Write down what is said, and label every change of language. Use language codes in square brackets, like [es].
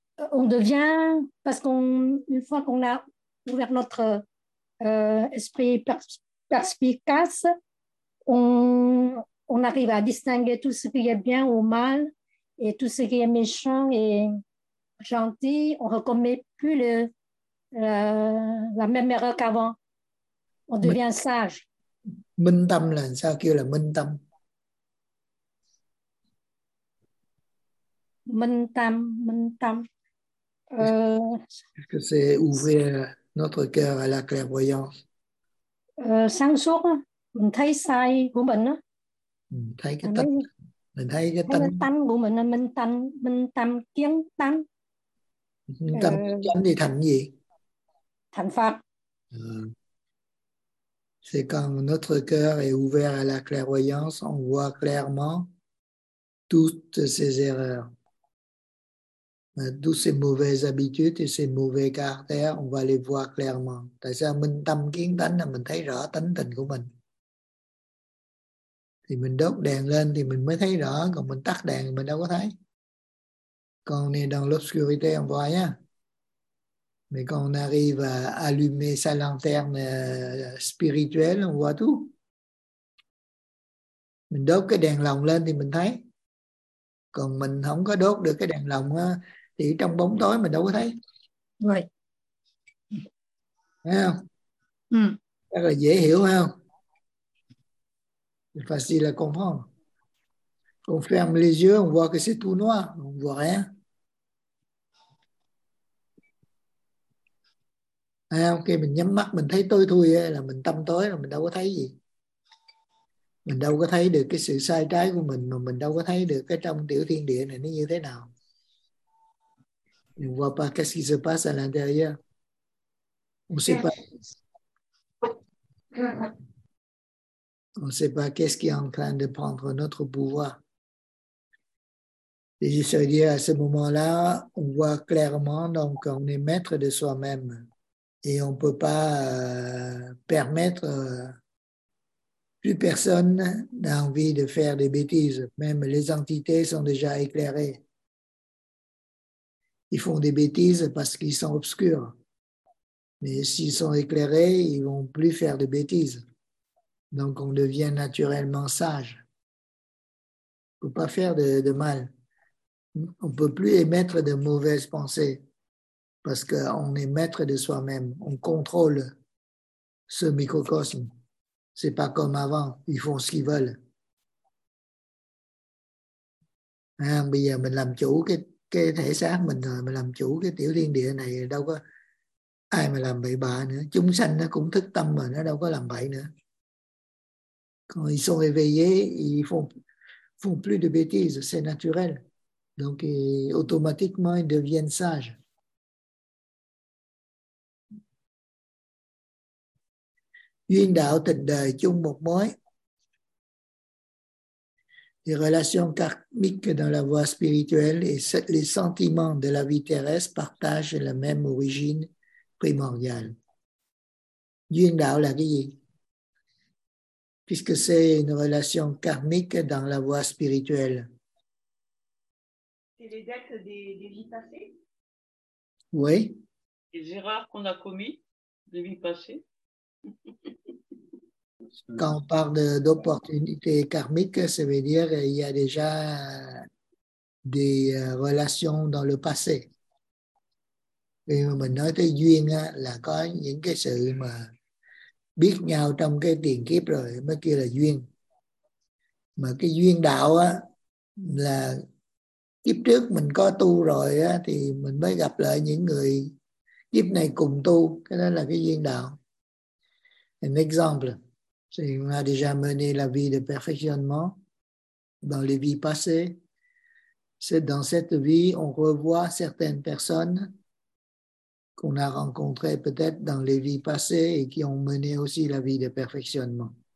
[fr] On devient, parce qu'on, une fois qu'on a ouvert notre esprit perspicace, on arrive à distinguer tout ce qui est bien ou mal. Et tout ce qui est méchant et gentil, on ne recommet plus la même erreur qu'avant. On devient sage. [vi] Minh tâm là sao kêu là minh tâm? Minh tâm. [fr] Est-ce que c'est ouvrir notre cœur à la clairvoyance? [vi] Sáng suốt, mình thấy sai của mình. Thấy cái tâm. Mình thấy cái tâm. Tâm của mình là minh tâm kiến tâm. Minh tâm kiến tâm thì thành gì? Thành Pháp. [fr] C'est quand notre cœur est ouvert à la clairvoyance, on voit clairement toutes ces erreurs. Toutes ces mauvaises habitudes et ces mauvais caractères, on va les voir clairement. [vi] Tại sao minh tâm kiến tánh là mình thấy rõ tánh tình của mình? Thì mình đốt đèn lên thì mình mới thấy rõ, còn mình tắt đèn thì mình đâu có thấy. [fr] Quand on est dans l'obscurité, on voit rien. Mais quand on arrive à allumer sa lanterne spirituelle, on voit tout. [vi] Mình đốt cái đèn lồng lên thì mình thấy. Còn mình không có đốt được cái đèn lồng thì trong bóng tối mình đâu có thấy. [en] Right. [vi] Thấy không? Chắc là dễ hiểu không? [fr] C'est facile à comprendre. On ferme les yeux, on voit que c'est tout noir, on ne voit rien. [vi] À, ok, mình nhắm mắt, mình thấy tối thui là mình tâm tối, là mình đâu có thấy gì. Mình đâu có thấy được cái sự sai trái của mình, mà mình đâu có thấy được cái trong tiểu thiên địa này nó như thế nào. [fr] On ne voit pas qu'est-ce qui se passe à l'intérieur. On ne sait pas. On ne sait pas qu'est-ce qui est en train de prendre notre pouvoir. Et je veux dire, à ce moment-là, on voit clairement, donc on est maître de soi-même. Et on ne peut pas permettre plus personne n'a envie de faire des bêtises. Même les entités sont déjà éclairées. Ils font des bêtises parce qu'ils sont obscurs. Mais s'ils sont éclairés, ils ne vont plus faire de bêtises. Donc on devient naturellement sage. On ne peut pas faire de mal. On ne peut plus émettre de mauvaises pensées. Parce qu'on est maître de soi-même. On contrôle ce microcosme. Ce n'est pas comme avant. Ils font ce qu'ils veulent. [vi] Hein, bây giờ mình làm chủ cái thể xác mình rồi. Mình làm chủ cái tiểu thiên địa này. Đâu có ai mà làm bậy bạ nữa. Chúng sanh nó cũng thức tâm mà nó đâu có làm bậy nữa. [fr] Quand ils sont éveillés, ils font plus de bêtises. C'est naturel. Donc, automatiquement, ils deviennent sages. [vi] Duyên đạo tình đời chung một mối. [fr] Les relations karmiques dans la voie spirituelle et les sentiments de la vie terrestre partagent la même origine primordiale. [vi] Duyên đạo là cái gì? [fr] Puisque c'est une relation karmique dans la voie spirituelle. C'est les dettes des vies passées? Oui. Les erreurs qu'on a commises des vies passées? Quand on parle d'opportunités karmiques, ça veut dire qu'il y a déjà des relations dans le passé. [vi] Et mình nói tới duyên là có những cái sự mà biết nhau trong cái tiền kiếp rồi mới kêu là duyên. Mà cái duyên đạo là kiếp trước mình có tu rồi thì mình mới gặp lại những người kiếp này cùng tu. Cái đó là cái duyên đạo. [fr] Un exemple, c'est qu'on a déjà mené la vie de perfectionnement dans les vies passées. C'est dans cette vie, on revoit certaines personnes qu'on a rencontrées peut-être dans les vies passées et qui ont mené aussi la vie de perfectionnement.